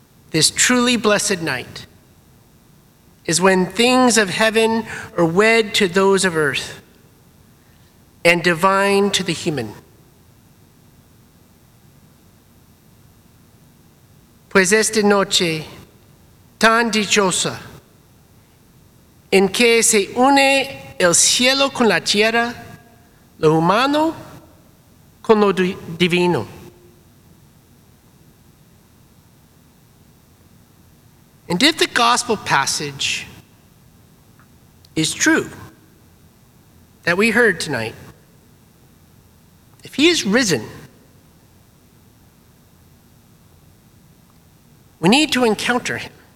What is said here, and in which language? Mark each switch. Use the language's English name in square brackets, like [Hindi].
[English] This truly blessed night is when things of heaven are wed to those of earth and divine to the human. [Spanish] Pues esta noche tan dichosa, en que se une el cielo con la tierra, lo humano con lo divino. [English] And if the gospel passage is true that we heard tonight, if he is risen, we need to encounter him.